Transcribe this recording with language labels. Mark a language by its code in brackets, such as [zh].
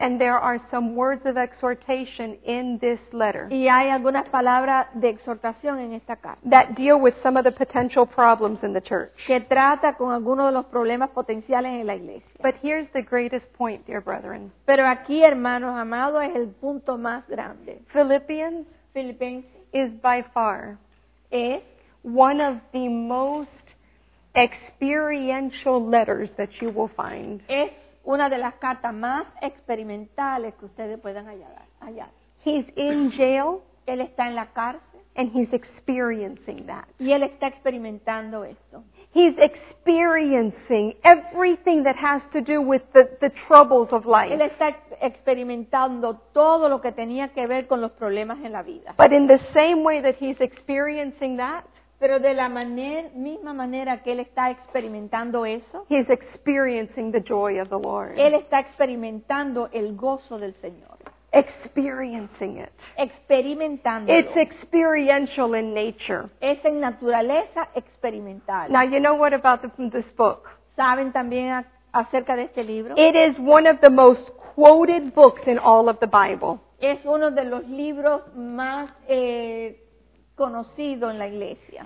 [en] And there are some words of exhortation in this letter. [es] Y hay algunas palabras de exhortación en esta carta. [en] That deal with some of the potential problems in the church. [es] Que trata con algunos de los problemas potenciales en la iglesia. [en] But here's the greatest point, dear brethren. [es] Pero aquí, hermanos amados, es el punto más grande. [en] Philippians is by far one of the most experiential letters that you will find. [es] Es una de las cartas más experimentales que ustedes puedan hallar. [en] He's in jail. [es] Él está en la cárcel. [en] And he's experiencing that. [es] Y él está experimentando esto. [en] He's experiencing everything that has to do with the troubles of life. [es] Él está experimentando todo lo que tenía que ver con los problemas en la vida. [en] But in the same way that he's experiencing that, [es] pero de la misma manera que él está experimentando eso, [en] he's experiencing the joy of the Lord. [es] Él está experimentando el gozo del Señor. [en] Experiencing it. [es] Experimentando. [en] It's experiential in nature. [es] Es en naturaleza experimental. [en] Now you know what about this book? [es] ¿Saben también acerca de este libro? [en] It is one of the most quoted books in all of the Bible. [es] Es uno de los libros más conocido en la iglesia.